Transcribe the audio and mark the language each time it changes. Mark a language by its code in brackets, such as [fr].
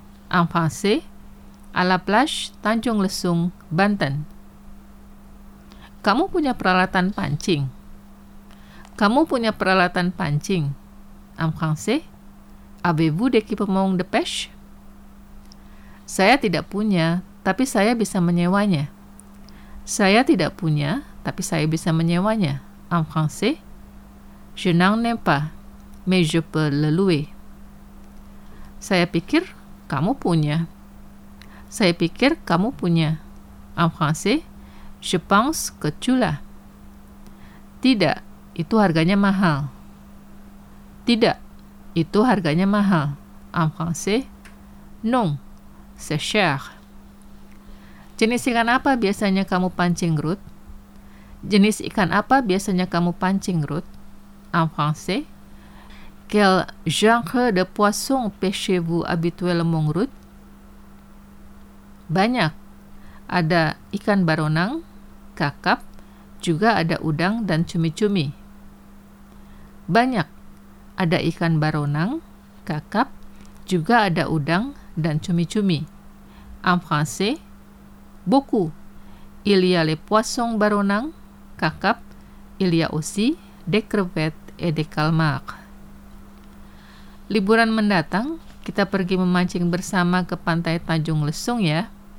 [fr] En français, à la plage Tanjung Lesung, Banten. [id] Kamu punya peralatan pancing? Kamu punya peralatan pancing? [fr] En français, avez-vous d'équipement de pêche? [id] Saya tidak punya, tapi saya bisa menyewanya. Saya tidak punya, tapi saya bisa menyewanya. [fr] En français, je n'en ai pas, mais je peux le louer. [id] Saya pikir kamu punya. Saya pikir kamu punya. [fr] En français, je pense que tu l'as. [id] Tidak, itu harganya mahal. Tidak, itu harganya mahal. [fr] En français, non, c'est cher. [id] Jenis ikan apa biasanya kamu pancing, Ruth? Jenis ikan apa biasanya kamu pancing, Ruth? [fr] En français, quel genre de poisson pêchez-vous habituellement, Ruth? [id] Banyak. Ada ikan baronang, kakap, juga ada udang dan cumi-cumi. Banyak. Ada ikan baronang, kakap, juga ada udang dan cumi-cumi. [fr] En français, beaucoup. Il y a les poissons baronang, kakap, il y a aussi des crevettes et des calmars. [id] Liburan mendatang, kita pergi memancing bersama ke pantai Tanjung Lesung ya.